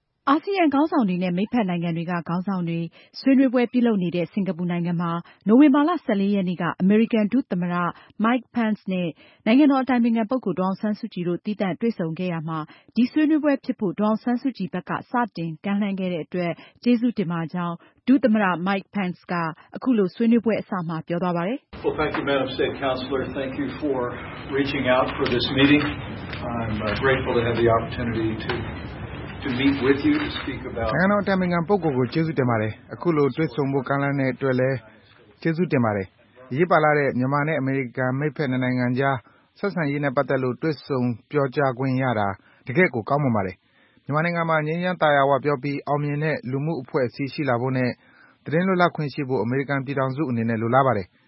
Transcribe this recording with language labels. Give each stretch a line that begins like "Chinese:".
Burmese: အာဆီယံခေါင်းဆောင်တွေနဲ့မိတ်ဖက်နိုင်ငံတွေကခေါင်းဆောင်တွေဆွေးနွေးပွဲပြုလုပ်နေတဲ့စင်ကာပူနိုင်ငံမှာနိုဝင်ဘာလ14ရက်နေ့ကအမေရိကန်ဒုသမ္မတမိုက်ပန်စ်နဲ့နိုင်ငံတော်အတိုင်ပင်ပုဂ္ဂိုလ်ဒေါင်ဆန်းစုကြည်တို့တည်တံ့တွေ့ဆုံခဲ့ရမှာဒီဆွေးနွေးပွဲဖြစ်ဖို့ဒေါင်ဆန်းစုကြည်ဘက်ကစတင်ကမ်းလှမ်းခဲ့တဲ့အတွက်ကျေးဇူးတင်ပါကြောင်းဒုသမ္မတမိုက်ပန်စ်ကအခုလိုဆွေးနွေးပွဲအစမှာပြောသွားပါတယ်
English: Well, thank you, Madam State Counselor. Thank you for reaching out for this meeting. I'm grateful to have the opportunity to meet with you to speak about
Burmese: ငါတို့တမင်ငံပုဂ္ဂိုလ်ကျေးဇူးတင်ပါတယ်အခုလိုတွေ့ဆုံဖို့ကမ်းလှမ်းတဲ့အတွက်လဲကျေးဇူးတင်ပါတယ်ရေးပါလာတဲ့မြန်မာနဲ့အမေရိကန်မိတ်ဖက်နိုင်ငံကြားဆက်ဆံရေးနဲ့ပတ်သက်လို့တွေ့ဆုံပြောကြားခွင့်ရတာတကယ့်ကိုကောင်းမွန်ပါတယ်မြန်မာနိုင်ငံမှာငြိမ်းချမ်းတာယာဝပြောပြီးအောင်မြင်တဲ့လူမှုအဖွဲ့အစည်းရှိလာဖို့နဲ့သတင်းလွတ်လပ်ခွင့်ရှိဖို့အမေရိကန်ပြည်ထောင်စုအနေနဲ့လိုလားပါတယ်